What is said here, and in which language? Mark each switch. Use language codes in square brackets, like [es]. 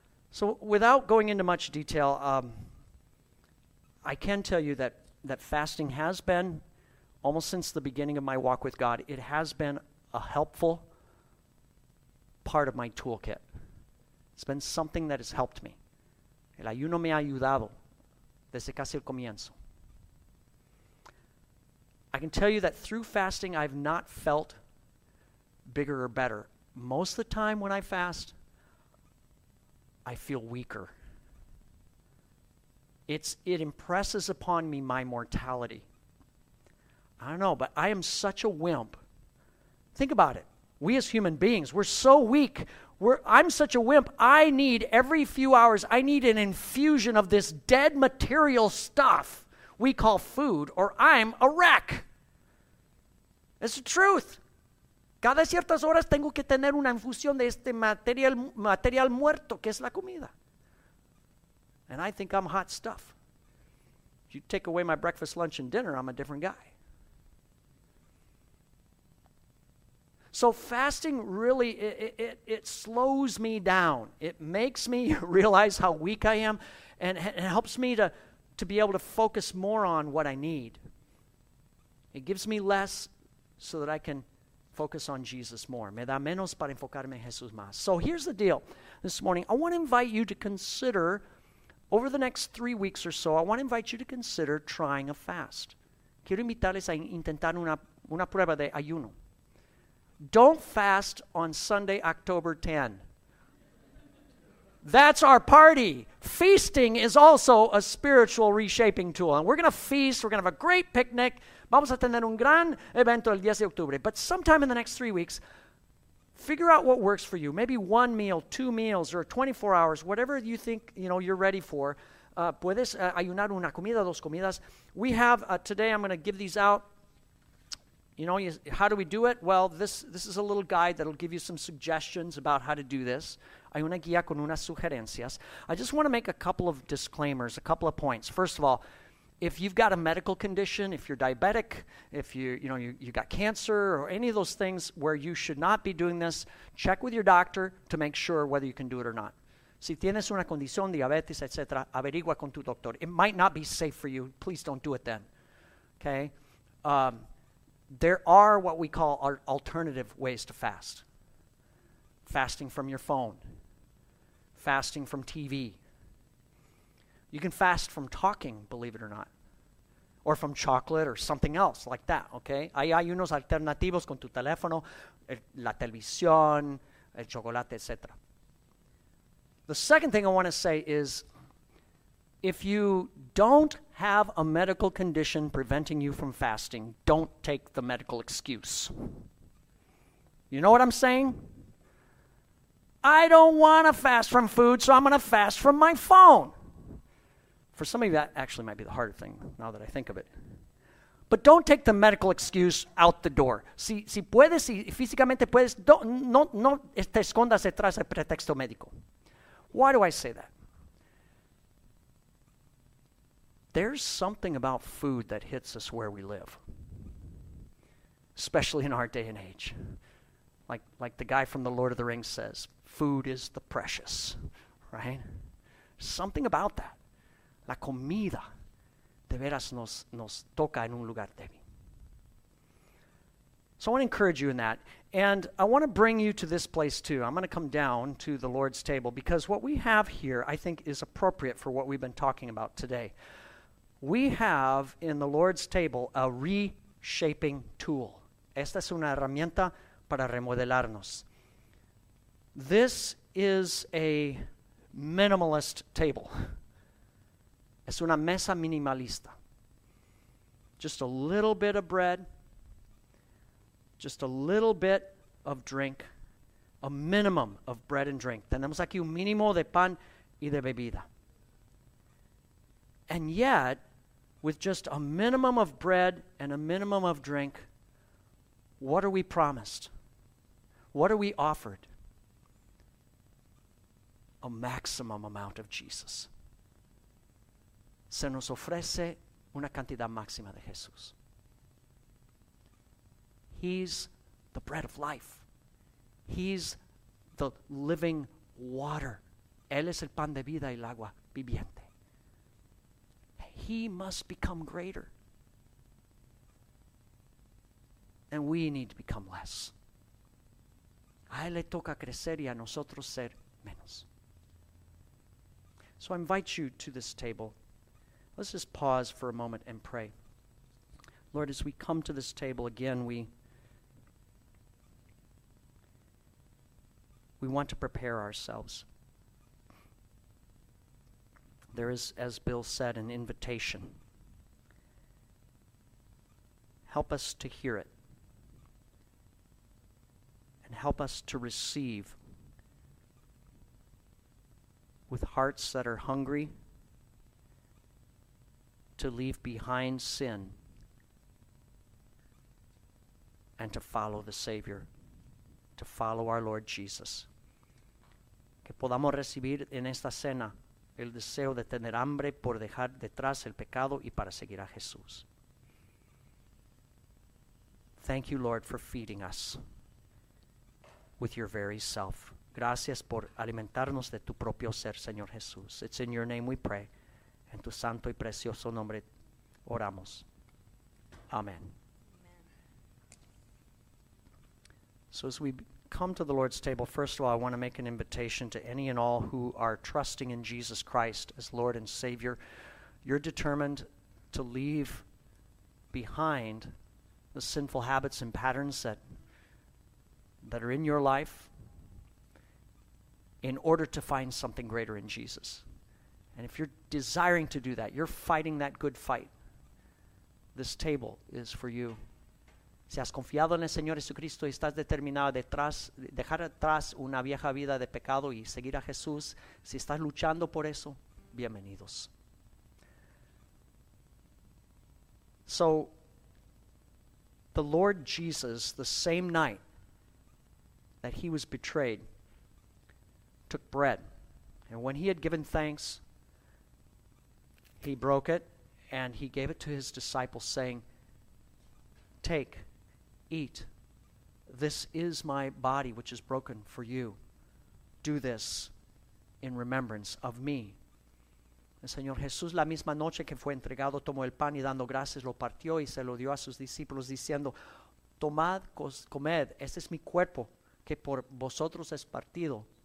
[en] So without going into much detail, I can tell you that fasting has been, almost since the beginning of my walk with God, it has been a helpful part of my toolkit. It's been something that has helped me. [es] El ayuno me ha ayudado desde casi el comienzo. [en] I can tell you that through fasting, I've not felt bigger or better. Most of the time when I fast, I feel weaker. It impresses upon me my mortality. I don't know, but I am such a wimp. Think about it. We as human beings, we're so weak. I'm such a wimp. I need every few hours, I need an infusion of this dead material stuff we call food, or I'm a wreck. It's the truth. [es] Cada ciertas horas tengo que tener una infusión de este material muerto, que es la comida. [en] And I think I'm hot stuff. If you take away my breakfast, lunch, and dinner, I'm a different guy. So fasting really, it slows me down. It makes me realize how weak I am, and it helps me to be able to focus more on what I need. It gives me less so that I can focus on Jesus more. [es] Me da menos para enfocarme en Jesús más. [en] So here's the deal this morning. I want to invite you to consider, over the next 3 weeks or so, I want to invite you to consider trying a fast. [es] Quiero invitarles a intentar una prueba de ayuno. [en] Don't fast on Sunday, October 10. That's our party. Feasting is also a spiritual reshaping tool. And we're going to feast. We're going to have a great picnic. [es] Vamos a tener un gran evento el 10 de octubre. [en] But sometime in the next 3 weeks, figure out what works for you. Maybe one meal, two meals, or 24 hours, whatever you think you're ready for. [es] Puedes ayunar una comida, dos comidas. [en] We have, today I'm going to give these out. How do we do it? Well, this is a little guide that'll give you some suggestions about how to do this. [es] Hay una guía con unas sugerencias. [en] I just want to make a couple of disclaimers, a couple of points. First of all, if you've got a medical condition, if you're diabetic, if you got cancer or any of those things where you should not be doing this, check with your doctor to make sure whether you can do it or not. [es] Si tienes una condición, diabetes, etc., averigua con tu doctor. [en] It might not be safe for you. Please don't do it then. Okay? There are what we call alternative ways to fast. Fasting from your phone. Fasting from TV. You can fast from talking, believe it or not. Or from chocolate or something else like that, okay? [es] Hay unos alternativos con tu teléfono, la televisión, el chocolate, etc. [en] The second thing I want to say is, if you don't have a medical condition preventing you from fasting, don't take the medical excuse. You know what I'm saying? I don't want to fast from food, so I'm going to fast from my phone. For some of you, that actually might be the harder thing, now that I think of it. But don't take the medical excuse out the door. [es] Si puedes, si físicamente puedes, no te escondas detrás del pretexto médico. [en] Why do I say that? There's something about food that hits us where we live, especially in our day and age. Like the guy from The Lord of the Rings says, food is the precious, right? Something about that. [es] La comida de veras nos toca en un lugar débil. [en] So I want to encourage you in that. And I want to bring you to this place too. I'm going to come down to the Lord's table because what we have here, I think, is appropriate for what we've been talking about today. We have in the Lord's table a reshaping tool. [es] Esta es una herramienta para remodelarnos. [en] This is a minimalist table. [es] Es una mesa minimalista. [en] Just a little bit of bread. Just a little bit of drink. A minimum of bread and drink. [es] Tenemos aquí un mínimo de pan y de bebida. [en] And yet, with just a minimum of bread and a minimum of drink, what are we promised? What are we offered? A maximum amount of Jesus. [es] Se nos ofrece una cantidad máxima de Jesús. [en] He's the bread of life. He's the living water. [es] Él es el pan de vida y el agua viviente. [en] He must become greater. And we need to become less. [es] A él le toca crecer y a nosotros ser menos. [en] So I invite you to this table. Let's just pause for a moment and pray. Lord, as we come to this table again, we want to prepare ourselves. There is, as Bill said, an invitation. Help us to hear it. And help us to receive with hearts that are hungry to leave behind sin and to follow the Savior, to follow our Lord Jesus. [es] Que podamos recibir en esta cena el deseo de tener hambre por dejar detrás el pecado y para seguir a Jesús. [en] Thank you, Lord, for feeding us with your very self. [es] Gracias por alimentarnos de tu propio ser, Señor Jesús. [en] It's in your name we pray. [es] En tu santo y precioso nombre oramos. Amen. [en] So as we come to the Lord's table, first of all, I want to make an invitation to any and all who are trusting in Jesus Christ as Lord and Savior. You're determined to leave behind the sinful habits and patterns that are in your life in order to find something greater in Jesus. And if you're desiring to do that, you're fighting that good fight, this table is for you. [es] Si has confiado en el Señor Jesucristo y estás determinado dejar atrás una vieja vida de pecado y seguir a Jesús, si estás luchando por eso, bienvenidos. [en] So, the Lord Jesus, the same night that he was betrayed, took bread. And when he had given thanks, he broke it and he gave it to his disciples, saying, "Take, eat. This is my body, which is broken for you. Do this in remembrance of me." [es] El Señor Jesús, la misma noche que fue entregado, tomó el pan y dando gracias, lo partió y se lo dio a sus discípulos, diciendo, "Tomad, comed, este es mi cuerpo, que por vosotros es partido.